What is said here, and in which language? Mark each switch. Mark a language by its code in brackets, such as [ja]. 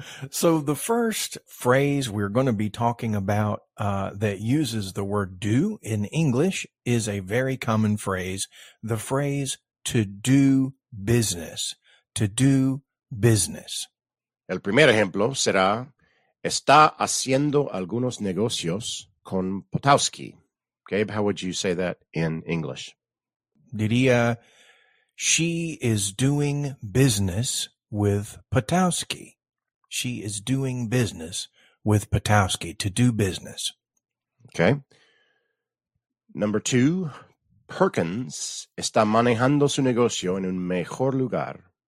[en] So the first phrase we're going to be talking about that uses the word do in English is a very common phrase, the phrase to do business, to do business. [es] El primer ejemplo será, está haciendo algunos negocios con Potowski. [en] Gabe, how would you say that in English? [es] Diría, [en] she is doing business with Potowski. She is doing business with Potowski, to do business. Okay. [es] Number two, Perkins está manejando su negocio en un mejor lugar.